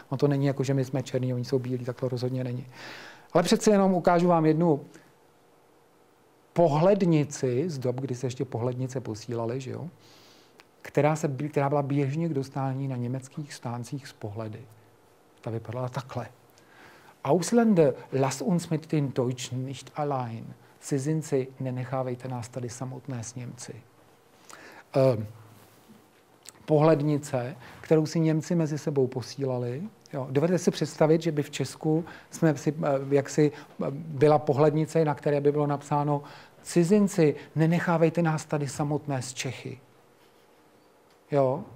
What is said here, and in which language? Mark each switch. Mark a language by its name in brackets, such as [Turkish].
[Czech] No to není jako, že my jsme černí, oni jsou bílí, tak to rozhodně není. Ale přece jenom ukážu vám jednu pohlednici z dob, kdy se ještě pohlednice posílaly, že jo? Která byla běžně k dostání na německých stáncích z pohledy. Ta vypadala takhle. [German] Ausländer, lass uns mit den Deutschen nicht allein. [Czech] Cizinci, nenechávejte nás tady samotné s Němci. Pohlednice, kterou si Němci mezi sebou posílali. Jo. Dovedete si představit, že by v Česku jsme si, jaksi byla pohlednice, na které by bylo napsáno cizinci, nenechávejte nás tady samotné s Čechy. Jo.